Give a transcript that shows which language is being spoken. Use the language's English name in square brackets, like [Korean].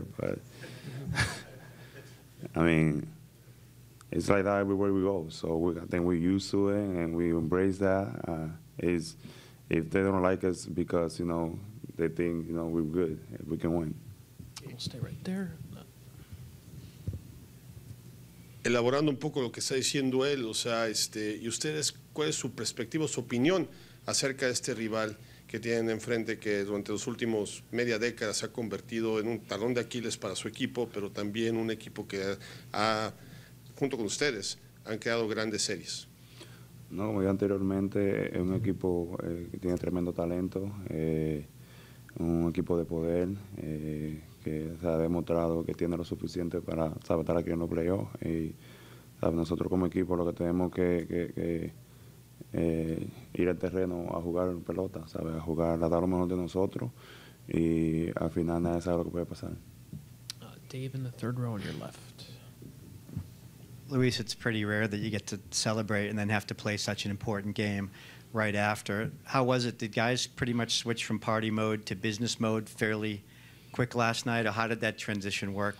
[English] But, it's like that everywhere we go. So I think we're used to it and we embrace that. If they don't like us because, you know, they think, you know, we're good, if we can win. We'll stay right there. [Spanish] Elaborando un poco lo que está diciendo él, o sea, y ustedes, ¿cuál es su perspectiva, su opinión acerca de este rival que tienen enfrente, que durante los últimos media década se ha convertido en un talón de Aquiles para su equipo, pero también un equipo que ha, junto con ustedes, han creado grandes series? No, como dije anteriormente, es un equipo que tiene tremendo talento, un equipo de poder, que se ha demostrado que tiene lo suficiente para estar aquí en los playoffs. Y ¿sabes? Nosotros como equipo lo que tenemos que ir al terreno a jugar pelota, ¿sabe? A jugar, a dar lo mejor de nosotros, y al final nada sabe lo que puede pasar. [English] Dave in the third row on your left. Luis, it's pretty rare that you get to celebrate and then have to play such an important game right after. How was it? Did guys pretty much switch from party mode to business mode fairly quick last night? Or how did that transition work?